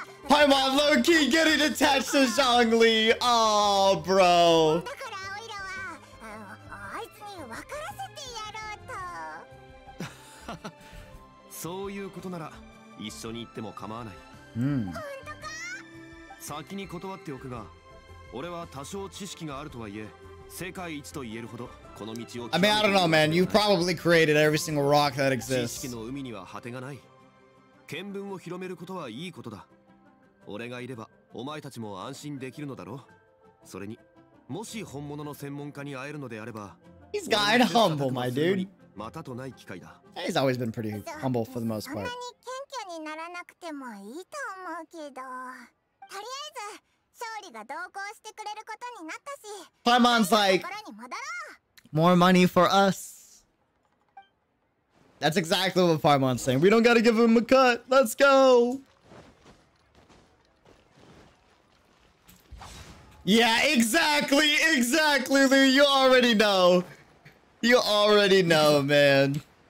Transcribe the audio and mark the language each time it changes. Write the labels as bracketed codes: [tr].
[en] I'm on low key getting attached to Zhong Li. Oh, bro. [ja] だからオイラは、あいつに分からせてやろうと。そういうことなら一緒に行っても構わない。本当か？先に断っておくが、俺は多少知識があるとはいえ、世界一と言えるほどこの道を。 [en] I mean, I don't know, man. You probably created every single rock that exists. [ja] 知識の海には果てがない。見聞を広めることはいいことだ。俺がいればお前たちも安心できるのだろう。それにもし本物の専門家に会えるのであれば、 [en] He's kind of humble, my dude. [ja] またとない機会だ。 [en] He's always been pretty humble for the most part. [ja] そんなに謙虚にならなくてもいいと思うけど、とりあえず勝利が同行してくれることになったし、 [en] Paimon's like, more money for us. That's exactly what Paimon's saying. We don't gotta give him a cut. Let's go. Yeah, exactly, exactly, Lou. You already know. You already know, man.